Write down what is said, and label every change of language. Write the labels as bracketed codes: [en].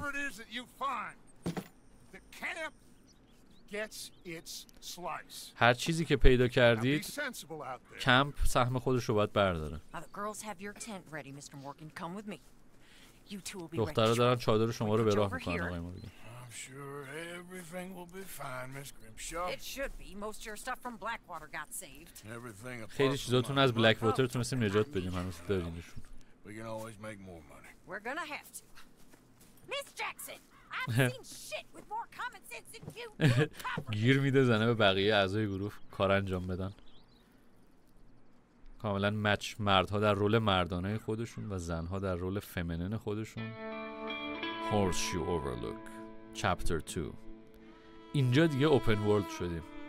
[en] Whatever it is that you find, the camp gets its slice. [fa] هر چیزی که پیدا کردید کمپ سهم خودش رو باید برداره. [en] The girls have your tent ready, Mr. Morgan. Come with me. You two will be ready. [fa] دخترها دارن چادر شما رو به راه میکنن آقای مورگن. [en] Sure, everything will be fine, Miss Grimshaw. It should be. Most of your stuff from Blackwater got saved. Everything. [fa] خیلی چیزاتون از Blackwater تونستیم نجات بدیم. هنوز داریمشون. [en] We can always make more money. We're gonna have to. Miss Jackson, I've seen shit with more common sense than you. [fa] گیر میده زنه به بقیه اعضای گروه کار انجام بدن. کاملا مچ مردها در رول مردانه خودشون و زنها در رول فمینن خودشون. [en] Horseshoe Overlook. Chapter 2. [fa] اینجا دیگه اوپن ورلد شدیم.